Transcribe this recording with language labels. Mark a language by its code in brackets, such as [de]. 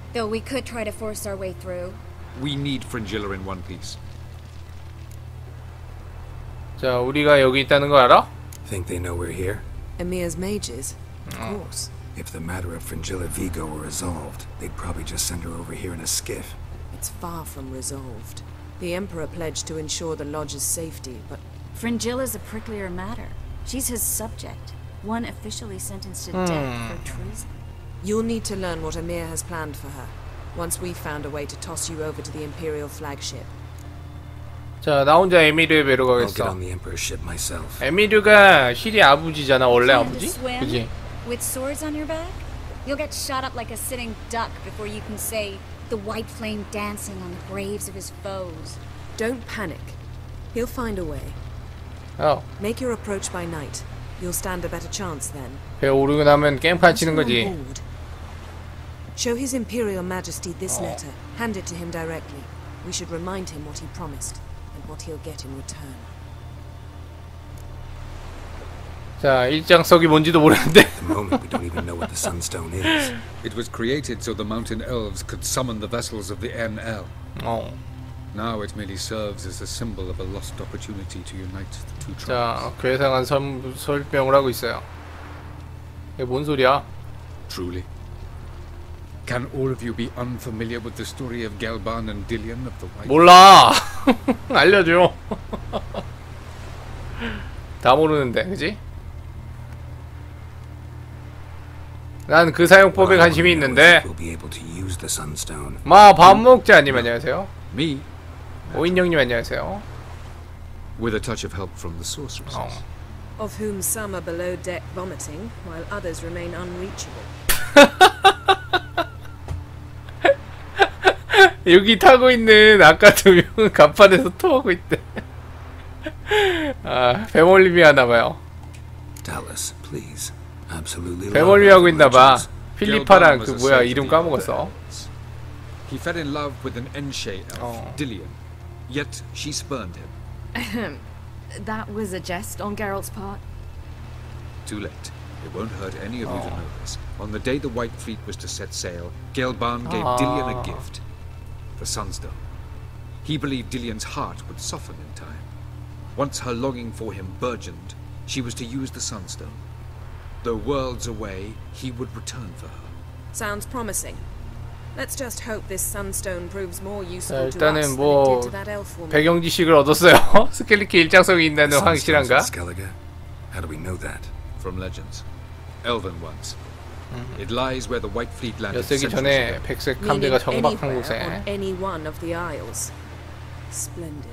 [en] Though we could try to force our way through. We need Frangilla in one piece. [ko] 자, 우리가 여기 있다는 거 알아? [en] Think they know we're here? Emir's mages. Of course. If the matter of Frangilla Vigo were resolved, they'd probably just send her over here in a skiff. It's far from resolved. The Emperor pledged to ensure the Lodge's safety, but Frangilla's a pricklier matter. She's his subject. One officially sentenced to death for treason. You'll need to learn what Emir has planned for her. Once we've found a way to toss you over to the Imperial flagship. [ko] 자, 나 혼자 에미르의 배로 가겠어. [en] I'll get on the Emperor's ship myself. [ko] 에미르가 시리 아버지잖아, 원래 아버지? 그지? [en] With swords on your back? You'll get shot up like a sitting duck before you can say the white flame dancing on the graves of his foes. Don't panic. He'll find a way. Oh. Make your approach by night. You'll stand a better chance then. [ko] 배 오르고 나면 게임 파치는 거지. [en] Show His Imperial Majesty this letter. Hand it to him directly. We should remind him what he promised and what he'll get in return. [ko] 자, 일장석이 뭔지도 모르는데. [en] The moment we don't even know what the Sunstone is. It was created so the Mountain Elves could summon the vessels of the NL. Oh. Now it merely serves as a symbol of a lost opportunity to unite the two tribes. [ko] 자, 괴상한 설명을 하고 있어요. 이게 뭔 소리야? [en] Truly. Can all of you be unfamiliar with the story of Galban and Dillion of the White? [ko] 몰라. 알려줘. 다 모르는데, 그렇지? 난 그 사용법에 관심이 있는데. [en] We'll be able to use the Sunstone. [ko] 마, 밥 먹자 님 안녕하세요. [en] Me. [ko] 오인영님 안녕하세요. [en] With a touch of help from the sorceress. Of whom some are below deck vomiting, while others remain unreachable. [ko] 여기 타고 있는 아까 두 명은 간판에서 토하고 있대. 아, 배멀림이 하나봐요. Dallas, please, absolutely. 배멀림 하고 있나봐. 필리파랑 그 뭐야 이름 까먹었어. [en] He fell in love with an Enshe elf, Dillion. Yet she spurned him. That was a jest on Geralt's part. Too late. It won't hurt any of you to know this. On the day the White Fleet was to set sail, Galban gave Dillion a gift. The Sunstone. He believed Dillion's heart would soften in time. Once her longing for him burgeoned, she was to use the Sunstone. Though worlds away, he would return for her. Sounds promising. Let's just hope this sunstone proves more useful. [ko] 자, 일단은 뭐 배경 지식을 얻었어요. 스켈리케 일장성이 있다는 확실한가? [en] How do we know that? From legends. Elven ones. It lies where the White Fleet landed. [ko] 몇 세기 전에 백색 함대가 정박한 곳에. [en] Any one of the isles. Splendid.